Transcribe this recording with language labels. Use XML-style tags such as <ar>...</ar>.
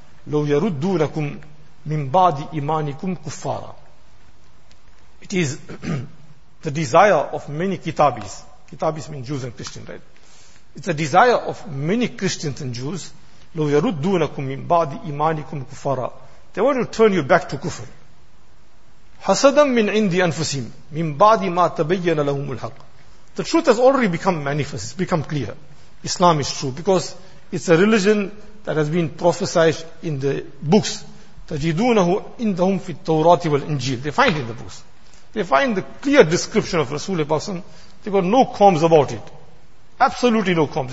<ar>لَوْ يَرُدُّونَكُمْ مِنْ بَعْدِ إِمَانِكُمْ كُفَّارًا</ar> <en>It is the desire of many kitabis. Kitabis mean Jews and Christians, right? It's the desire of many Christians and Jews.</en> <ar>لَوْ يَرُدُّونَكُمْ مِنْ بَعْدِ إِمَانِكُمْ كُفَّارًا</ar> <en>They want to turn you back to kufr.</en> <ar>حَسَدًا مِنْ عِنْدِ أَنفُسِهِمْ مِنْ بَعْدِ مَا تَبَيَّنَ لَهُمُ الْحَقِّ</ar> <en>The truth has already become manifest. It's become clear. Islam is true because it's a religion that has been prophesied in the books.</en> <ar>تَجِدُونَهُ عِنْدَهُمْ فِي التَّوْرَاتِ وَالْإِنْجِيلِ</ar> <en>They find it in the books. They find the clear description of Rasulullah SAW. They got no qualms about it. Absolutely no qualms.</en>